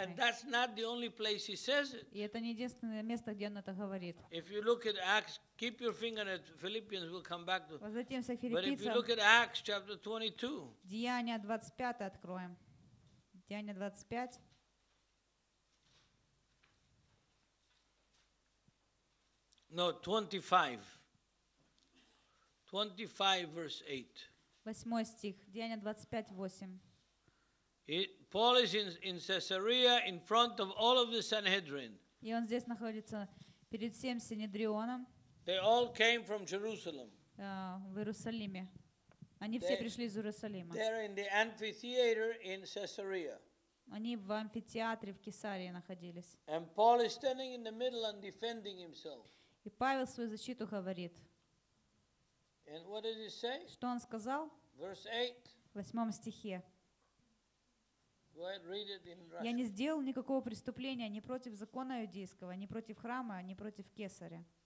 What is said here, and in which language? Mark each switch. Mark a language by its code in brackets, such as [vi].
[en] And that's not the only place he says it. [ru] И это не единственное место, где он это говорит. [en] If you look at Acts, keep your finger at Philippians, we'll come back to. [ru] Возвратимся к Филиппийцам. [en] But if you look at Acts chapter 22. [ru] Деяния 25 откроем. Деяния 25. [en] No, 25 verse 8. [ru] Восьмой стих, Деяния 25:8. [en] Paul is in Caesarea in front of all of the Sanhedrin. [ru] И он здесь находится перед всем Синедрионом. [en] They all came from Jerusalem. [ru] В Иерусалиме. Они все пришли из Иерусалима. [en] They're in the amphitheater in Caesarea. [ru] Они в амфитеатре в Кесарии находились. [en] And Paul is standing in the middle and defending himself. [ru] И Павел свою защиту говорит. [en] And what did he say? [ru] Что он сказал? [en] Verse 8. [ru] В 8 стихе. [en] Go ahead, read it in Russian. [ru] Я не сделал никакого преступления ни против закона иудейского, ни против храма, ни против Кесаря.